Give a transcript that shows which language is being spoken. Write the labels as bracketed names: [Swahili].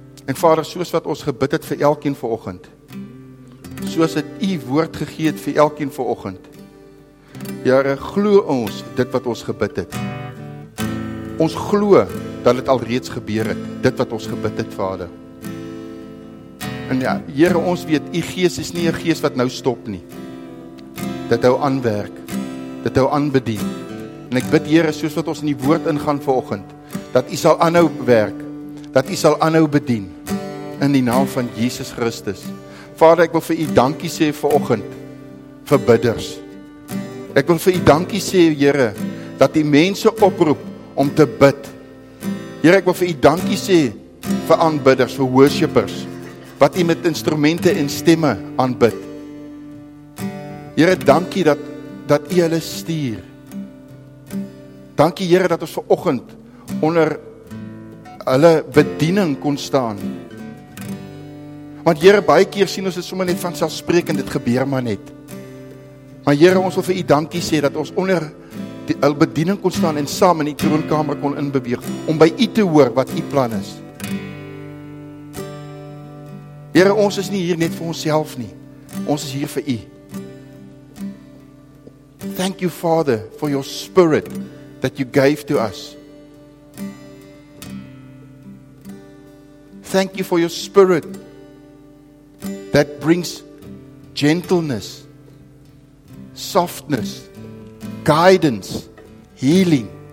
[Afrikaans] En Vader, soos wat ons gebid het vir elkeen vanoggend, soos het U woord gegee het vir elkeen vanoggend, Here, glo ons dit wat ons gebid het. Ons glo dat het alreeds gebeur het, dit wat ons gebid het, Vader. En ja, Here, ons weet, U gees is nie 'n gees wat nou stop nie. Dit hou aan werk, dit hou aan bedien. En ek bid, Here, soos wat ons in die woord ingaan vanoggend, dat U sal aanhou werk, dat U sal aanhou bedien, in die naam van Jesus Christus. Vader, ek wil vir U dankie sê vanoggend, vir bidders. Ek wil vir U dankie sê, Here, dat U mense oproep om te bid. Here, ek wil vir U dankie sê vir aanbidders, vir worshippers, wat U met instrumente en stemme aanbid. Here, dankie dat U hulle stuur. Dankie, Here, dat ons vanoggend onder hulle bediening kon staan. Want Here, baie keer sien ons dit sommer net vanselfsprekend, dit gebeur maar net. Maar Here, ons wil vir U dankie sê dat ons onder die bediening kon staan en saam in die troonkamer kon inbeweeg om by U te hoor wat U plan is. Here, ons is nie hier net vir onsself nie. Ons is hier vir U. [English] Thank you, Father, for your spirit that you gave to us. Thank you for your spirit that brings gentleness, softness, guidance, healing.